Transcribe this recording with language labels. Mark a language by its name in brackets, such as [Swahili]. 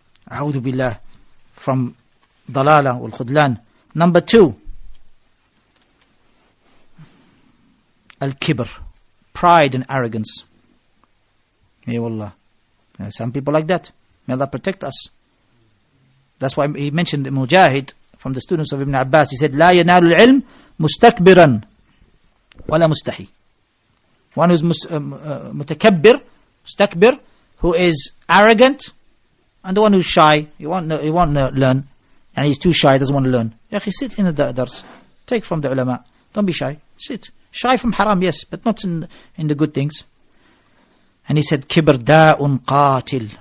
[English] A'udhu billah. From dalala wal khudlan. Number two. Al-kibr. Pride and arrogance. May Allah. Some people like that. May Allah protect us. That's why he mentioned Mujahid from the students of Ibn Abbas. He said, [Arabic] لا ينال العلم مستكبرا ولا مستحي. [English] One who is متكبر, مستكبر, who is arrogant, and the one who is shy, he won't learn. And he's too shy, doesn't want to learn. Yeah, sit in the dars. Take from the ulama. Don't be shy. Sit. Shy from haram, yes, but not in the good things. And he said, "Kibr da'un qatil."